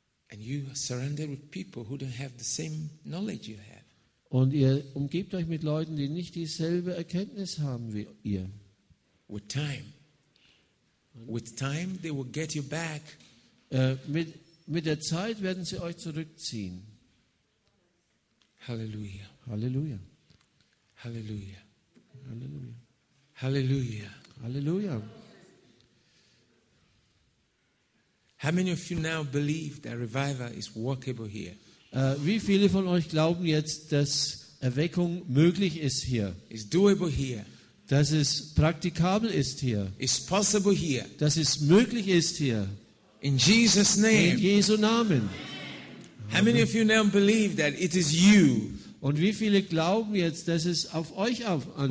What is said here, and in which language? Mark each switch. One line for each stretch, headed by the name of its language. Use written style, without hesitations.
English: and you are surrounded with people who don't have the same knowledge you have,
German: und ihr umgebt euch mit Leuten, die nicht dieselbe Erkenntnis haben wie ihr,
English: With time, they will get you back.
German: Mit der Zeit werden sie euch zurückziehen. Halleluja. Halleluja. Halleluja. Halleluja. Halleluja. Halleluja.
English: How many of you now believe that revival is workable here?
German: Wie viele von euch glauben jetzt, dass Erweckung möglich ist hier?
English: It's doable here.
German: Dass es praktikabel ist hier.
English: It's possible here.
German: Dass es möglich ist hier.
English: In Jesus' name.
German: In Jesu Namen.
English: How many of you now believe that it is you?
German: Und wie viele glauben jetzt, dass es auf euch ankommt?